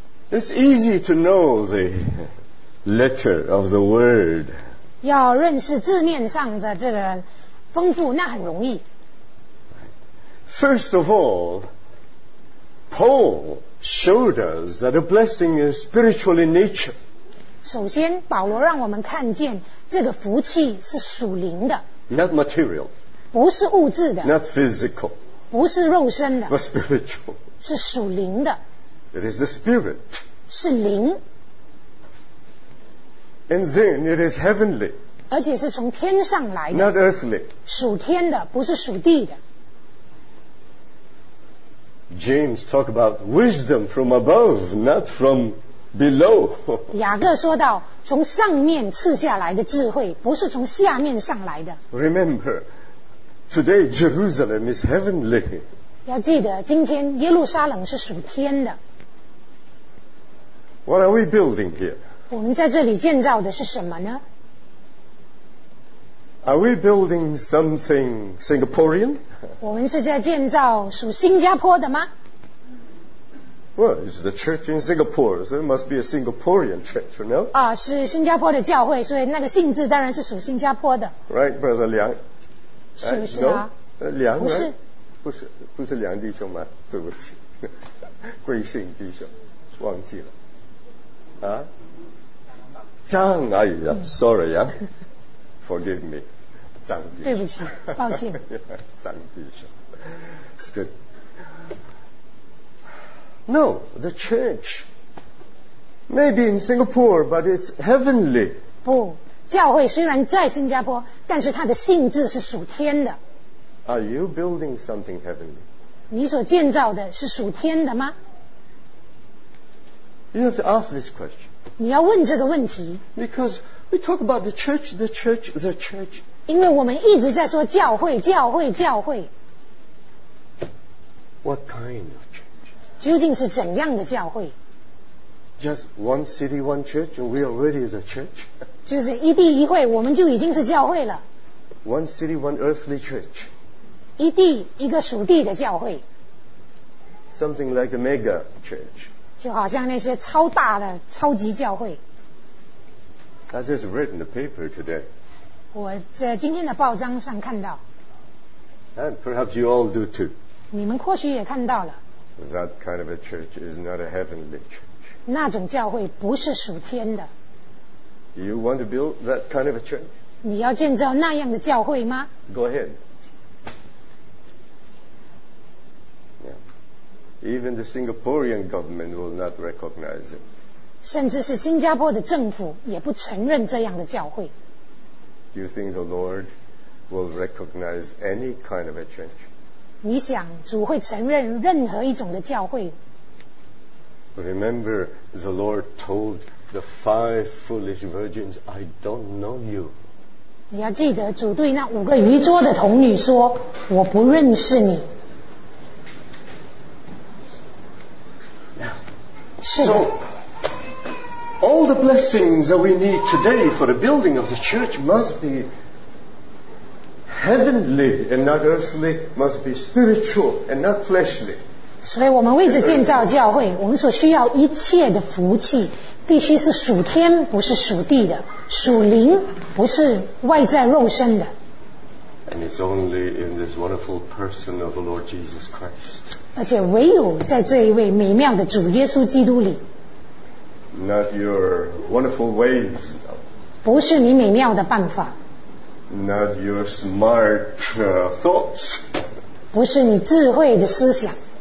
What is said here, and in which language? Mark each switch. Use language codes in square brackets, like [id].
[en] It's easy to know the letter of the word. [zh] 要认识字面上的这个丰富，那很容易。 [en] First of all, Paul showed us that a blessing is spiritual in nature. [zh] 首先，保罗让我们看见这个福气是属灵的。 [en] Not material. [zh] 不是物质的。 [en] Not physical. [zh] 不是肉身的。 [en] But spiritual. [zh] 是属灵的。 [en] It is the spirit. [zh] 是灵。 [en] And then it is heavenly. [zh] 而且是从天上来的 [en] Not earthly [zh] 属天的不是属地的 [en] James talk about wisdom from above not from below [zh] 雅各说到从上面赐下来的智慧不是从下面上来的 [en] Remember today Jerusalem is heavenly [zh] 要记得今天耶路撒冷是属天的 [en] What are we building here? [zh] 我们在这里建造的是什么呢？ [en] Are we building something Singaporean? [zh] 我们是在建造属新加坡的吗？ [en] Well, it's the church in Singapore, so it must be a Singaporean church, you know? [zh] 啊，是新加坡的教会，所以那个性质当然是属新加坡的。 [en] Right, Brother Liang? [zh] 是不是啊？ [en] No? [zh] 梁不是， [en] right? [zh] 不是梁弟兄吗？对不起，贵姓弟兄，忘记了。啊？张阿姨啊、嗯、， [en] Sorry [zh] 啊。 [en] Forgive me, [zh] 张弟兄。对不起，抱歉。 [en] 张弟兄 ，It's good. No, the church may be in Singapore, but it's heavenly. [zh] 不，教会虽然在新加坡，但是它的性质是属天的。 [en] Are you building something heavenly? [zh] 你所建造的是属天的吗？ [en] You have to ask this question. [zh] 你要问这个问题。 [en] Because We talk about the church, the church, the church. [zh] 因为我们一直在说教会，教会，教会。 [en] What kind of church? [zh] 究竟是怎样的教会？ [en] Just one city, one church, and we are already the church. [zh] 就是一地一会，我们就已经是教会了。 [en] One city, one earthly church. [zh] 一地一个属地的教会。 [en] Something like a mega church. [zh] 就好像那些超大的超级教会。 [en] I just read in the paper today. [zh] 我在今天的报章上看到。 [en] And perhaps you all do too. [zh] 你们或许也看到了。 [en] That kind of a church is not a heavenly church. [zh] 那种教会不是属天的。 [en] You want to build that kind of a church? [zh] 你要建造那样的教会吗？ [en] Go ahead. Yeah. Even the Singaporean government will not recognize it. [zh] 甚至是新加坡的政府也不承认这样的教会。 [en] Do you think the Lord will recognize any kind of a church? [zh] 你想主会承认任何一种的教会？ [en] Remember, the Lord told the five foolish virgins, I don't know you. [zh] 你要记得主对那五个愚拙的童女说，我不认识你。 [en] So, all the blessings that we need today for the building of the church must be heavenly and not earthly, must be spiritual and not fleshly. [zh] 所以我们为着建造教会，我们所需要一切的福气必须是属天不是属地的，属灵不是外在肉身的。 [en] And it's only in this wonderful person of the Lord Jesus Christ. [zh] 而且唯有在这一位美妙的主耶稣基督里。 [en] Not your wonderful ways. [zh] 不是你美妙的办法。 [en] Not your smart thoughts. [zh] 不是你智慧的思想。